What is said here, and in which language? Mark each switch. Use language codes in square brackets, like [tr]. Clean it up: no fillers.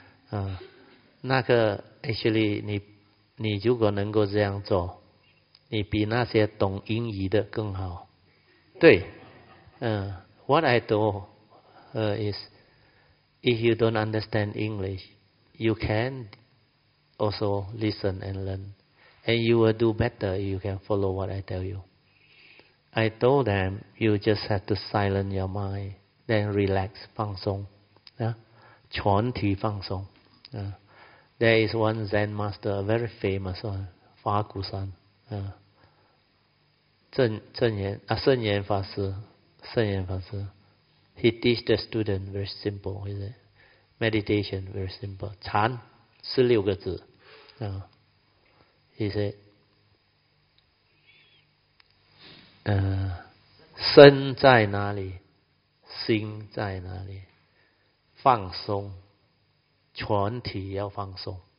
[en] 嗯，那个 actually [zh] 你如果能够这样做，你比那些懂英语的更好， [en] 对，嗯 ，What I do is if you don't understand English, you can also listen and learn, and you will do better if you can follow what I tell you. I told them, you just have to silence your mind, then relax, [zh] 放松、 [en] yeah? [zh] 全体放松、 [en] yeah? There is one Zen master, a very famous one, 法鼓山、yeah? 圣严法师圣严法师 He teach the student very simple, is it? Meditation very simple, [zh] 禅是六个字、 [en] yeah? He said, [zh] 身在哪里，心在哪里，放松，全体要放松。